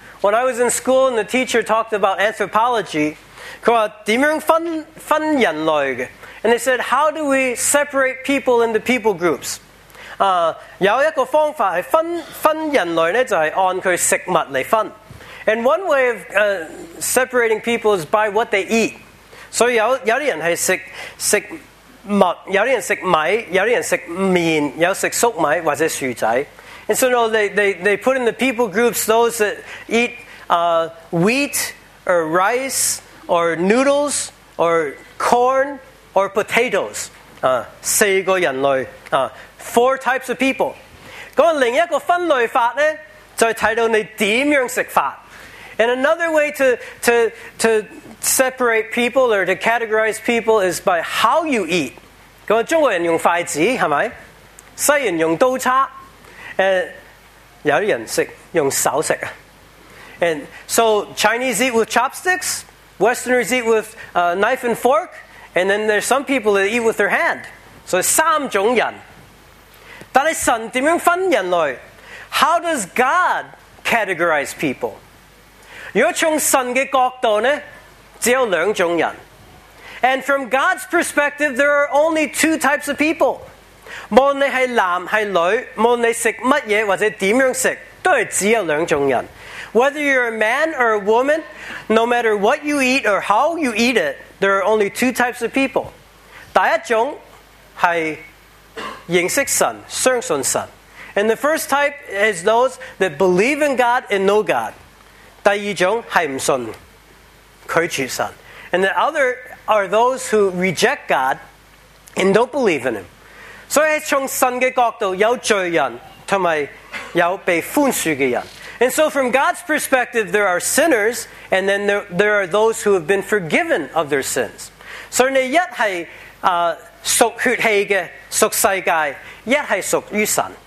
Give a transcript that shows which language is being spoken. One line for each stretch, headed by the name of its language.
English: When I was in school and the teacher talked about anthropology,
Cantonese: 他说怎样分人类的？
English: And they said, how do we separate people into people groups?
Cantonese: 有一个方法是分人类呢，就是按他食物来分。
English: And one way of separating people is by what they eat.
Cantonese: 所以有些人是食物，有些人食米，有些人食面，有食粟米或者薯仔。
English: And so, no, they put in the people groups those that eat wheat or rice or noodles or corn or potatoes.
Cantonese: 四个人类
English: four types of people.
Cantonese: 咁另一个分类法呢，就睇到你点样食法。
English: And another way to separate people or to categorize people is by how you eat.
Cantonese: 咁中国人用筷子系咪？西人用刀叉，有啲人食用手食啊。
English: And so Chinese eat with chopsticks, Westerners eat with a knife and fork, and then there's some people that eat with their hand. So
Cantonese: 三种人。但系神点样分人类
English: ？How does God categorize people?
Cantonese: 如果从神的角度呢，只有两种人。
English: And from God's perspective, there are only two types of people.
Cantonese: 无论你是男是女，无论你食乜嘢或者点样食，都是只有两种人。
English: Whether you're a man or a woman, no matter what you eat or how you eat it, there are only two types of people.
Cantonese: 第一种是认识神，相信神。
English: And the first type is those that believe in God and know God.
Cantonese: 第二种是不信，拒绝神。
English: And the other are those who reject God and don't believe in Him.
Cantonese: 所以从神的角度，有罪人和有被宽恕的人。
English: And so from God's perspective, there are sinners and then there are those who have been forgiven of their sins.
Cantonese: 所以你一是属血气的，属世界，一是属于神。